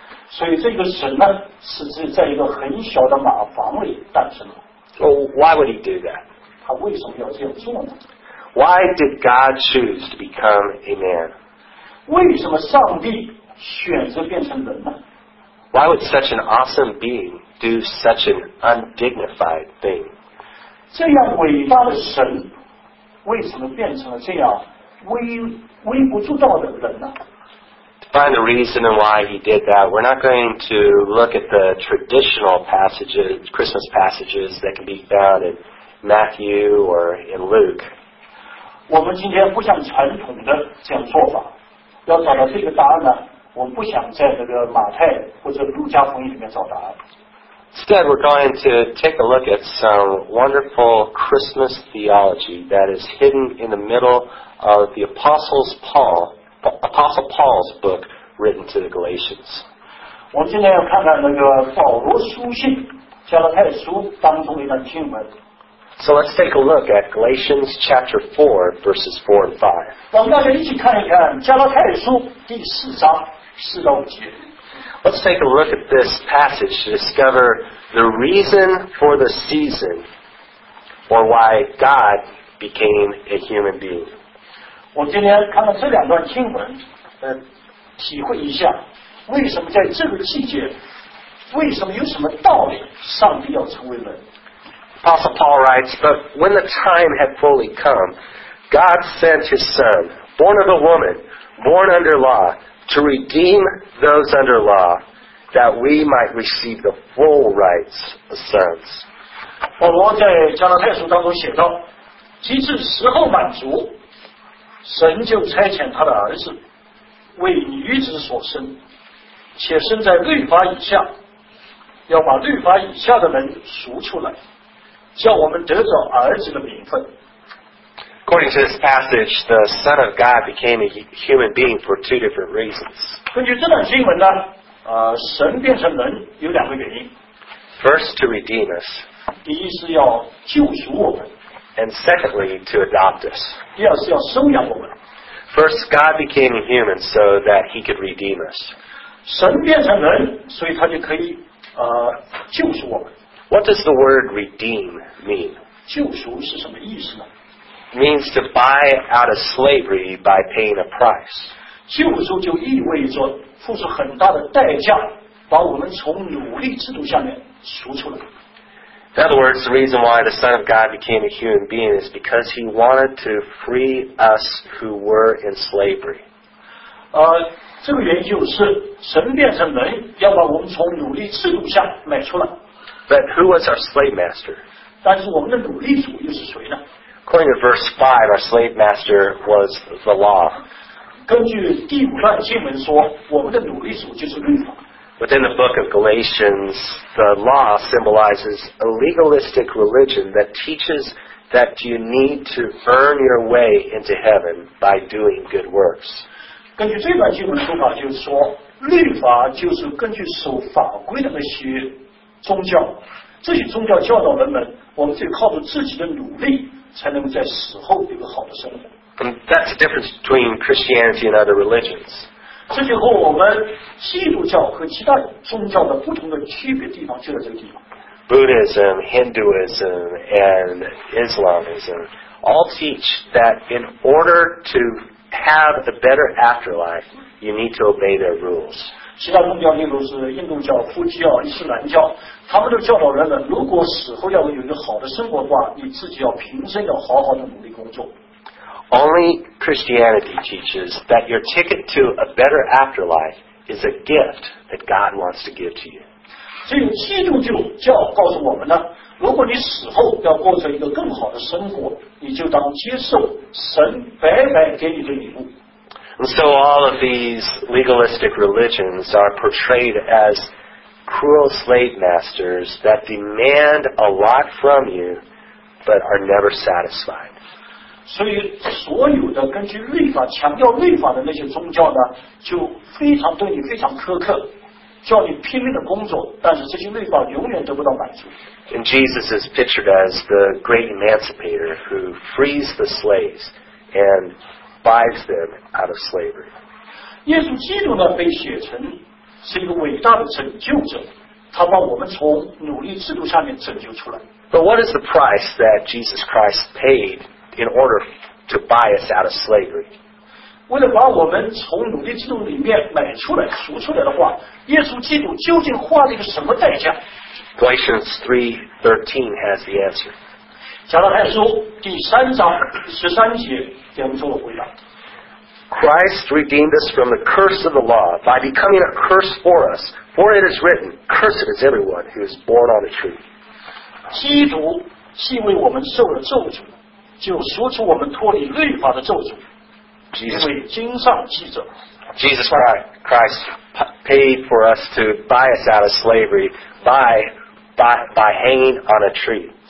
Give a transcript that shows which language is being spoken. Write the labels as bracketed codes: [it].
[zh] 所以这个神呢，是在一个很小的马房里诞生的。 [en] So, why would he do that? [zh] 他为什么要这样做呢？ [en] Why did God choose to become a man? [zh] 为什么上帝选择变成人呢？ [en] Why would such an awesome being do such an undignified thing? [zh] 这样伟大的神为什么变成了这样微不足道的人呢？ [en] To find the reason why he did that, we're not going to look at the traditional passages, Christmas passages that can be found in Matthew or in Luke. [zh] 我们今天不像传统的这样做法，要找到这个答案呢？我们不想在那个马太或者路加福音里面找答案。 [en] Instead, we're going to take a look at some wonderful Christmas theology that is hidden in the middle of the Apostle Paul's book written to the Galatians. [zh] 我们今天要看看那个保罗书信加拉太书当中的一段经文。 [en] So let's take a look at Galatians chapter 4, verses 4 and 5. [zh] 让大家一起看一看加拉太书第四章四到五节。 [en] Let's take a look at this passage to discover the reason for the season or why God became a human being. [zh] 我今天看到这两段经文，体会一下为什么在这个季节，为什么有什么道理上帝要成为人。 [en] Apostle Paul writes, But when the time had fully come, God sent his son, born of a woman, born under law, to redeem those under law, that we might receive the full rights of sons. [zh] 保罗在加拉太书当中写道，即至时候满足，神就差遣他的儿子为女子所生，且生在律法以下，要把律法以下的人赎出来。 [en] Going According to this passage, the Son of God became a human being for two different reasons. [zh] 根据这段经文呢，神变成人有两个原因。 [en] First, to redeem us. [zh] 第一是要救赎我们。 [en] And secondly, to adopt us. [zh] 第二是要收养我们。 [en] First, God became a human so that He could redeem us. [zh] 神变成人，所以他就可以救赎我们。 [en] What does the word redeem mean? [zh] 救赎是什么意思呢？ [en] Means to buy out of slavery by paying a price. [zh] 救赎就意味着付出很大的代价，把我们从奴隶制度下面赎出来。 [en] In other words, the reason why the Son of God became a human being is because He wanted to free us who were in slavery. [zh] 这个原因就是神变成人，要把我们从奴隶制度下买出来。 [en] But who was our slave master? [zh] 但是我们的奴隶主又是谁呢？ [en] According to verse 5, our slave master was the law. [zh] 根据第五段经文说，我们的奴隶主就是律法。 [en] Within the book of Galatians, the law symbolizes a legalistic religion that teaches that you need to earn your way into heaven by doing good works. [zh] 根据这段经文说法就是说，律法就是根据守法规的那些宗教，这些宗教教导人们，我们得靠着自己的努力才能在死后有个好的生活。 [en] And that's the difference between Christianity and other religions. [zh] 这就和我们基督教和其他宗教的不同的区别地方就在这个地方。 [en] Buddhism, Hinduism, and Islamism all teach that in order to have a better afterlife, you need to obey their rules. [zh] 其他宗教，例如是印度教、佛教、伊斯兰教。他们都教导人们，如果死后要有一个好的生活的话，你自己要平生要好好的努力工作。 [en] Only Christianity teaches that your ticket to a better afterlife is a gift that God wants to give to you. [zh] 所以基督教教告诉我们呢，如果你死后要过成一个更好的生活，你就当接受神白白给你的礼物。 [en] And so all of these legalistic religions are portrayed as cruel slave masters that demand a lot from you but are never satisfied. [zh] 所以所有的根据律法强调律法的那些宗教呢，就非常对你非常苛刻，叫你拼命的工作，但是这些律法永远得不到满足。 [en] And Jesus is pictured as the great emancipator who frees the slaves and buys them out of slavery. [zh] 耶稣基督呢被写成是一个伟大的拯救者，他把我们从奴隶制度下面拯救出来。 [en] But what is the price that Jesus Christ paid in order to buy us out of slavery? [zh] 为了把我们从奴隶制度里面买出来、赎出来的话，耶稣基督究竟花了一个什么代价？ [en] Galatians 3:13 has the answer. [zh] 加拉太书第三章十三节给我们做了回答。 [en] Christ redeemed us from the curse of the law by becoming a curse for us. For it is written, cursed is everyone who is born on a tree. [zh] 基督是因为我们受了咒诅，就赎出我们脱离律法的咒诅。 [en] Jesus, [zh] 因为经上记着。 [en] Jesus Christ paid for us to buy us out of slavery by hanging on a tree.